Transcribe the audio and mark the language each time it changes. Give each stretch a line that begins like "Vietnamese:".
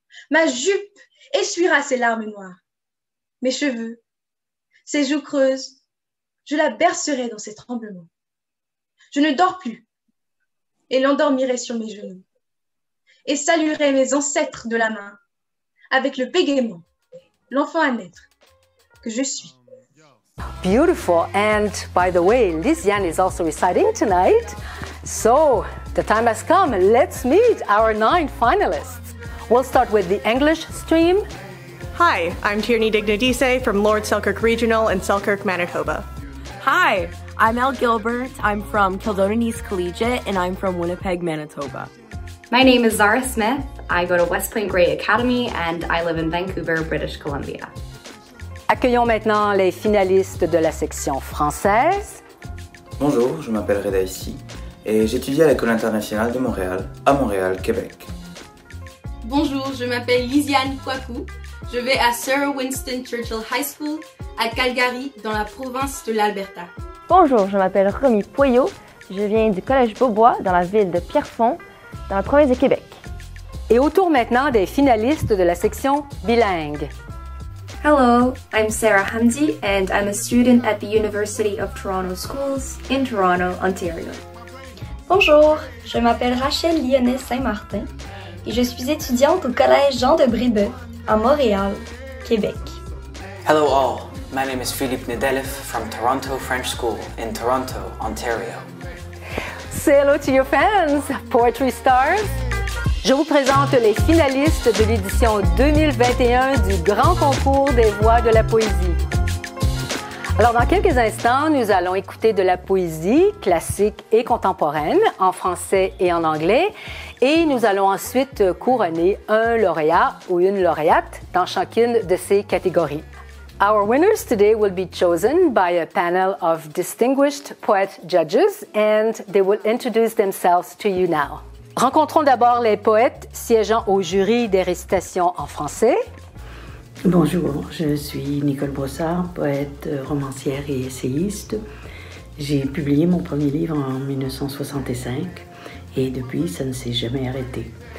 French: Ma jupe essuiera ses larmes noires. Mes cheveux, ses joues creuses, je la bercerai dans ses tremblements. Je ne dors plus et l'endormirai sur mes genoux et saluerai mes ancêtres de la main avec le bégaiement, l'enfant à naître que je suis.
English: Beautiful. And by the way, Lysiane is also reciting tonight. So, the time has come. Let's meet our 9 finalists. We'll start with the English stream. Hi, I'm Tierney Dignadise from Lord Selkirk Regional in Selkirk, Manitoba. Hi, I'm Elle Gilbert. I'm from Kildonanese Collegiate and I'm from Winnipeg, Manitoba. My name is Zara Smith. I go to West Point Grey Academy and I live in Vancouver, British Columbia.
French: Accueillons maintenant les finalistes de la section française. Bonjour, je m'appelle Reda Issy et j'étudie à l'École internationale de Montréal, à Montréal, Québec. Bonjour, je m'appelle Lysiane Kwaku. Je vais à Sir Winston Churchill High School à Calgary, dans la province de l'Alberta. Bonjour, je m'appelle Romy Poyeau. Je viens du Collège Beaubois, dans la ville de Pierrefonds, dans la province du Québec. Et au tour maintenant des finalistes de la section bilingue.
English: Hello, I'm Sarah Hamdi and I'm a student at the University of Toronto Schools in Toronto, Ontario.
French: Bonjour, je m'appelle Rachel Lyonnais Saint-Martin et je suis étudiante au Collège Jean de Brébeuf à Montréal, Québec.
English: Hello all, my name is Philippe Nedelef from Toronto French School in Toronto, Ontario. Say hello to your fans, poetry stars!
French: Je vous présente les finalistes de l'édition 2021 du Grand Concours des Voix de la Poésie. Alors, dans quelques instants, nous allons écouter de la poésie classique et contemporaine en français et en anglais. Et nous allons ensuite couronner un lauréat ou une lauréate dans chacune de ces catégories.
English: Our winners today will be chosen by a panel of distinguished poet judges and they will introduce themselves to you now.
French: Rencontrons d'abord les poètes siégeant au jury des récitations en français. Bonjour, je suis Nicole Brossard, poète, romancière et essayiste. J'ai publié mon premier livre en 1965 et depuis, ça ne s'est jamais arrêté.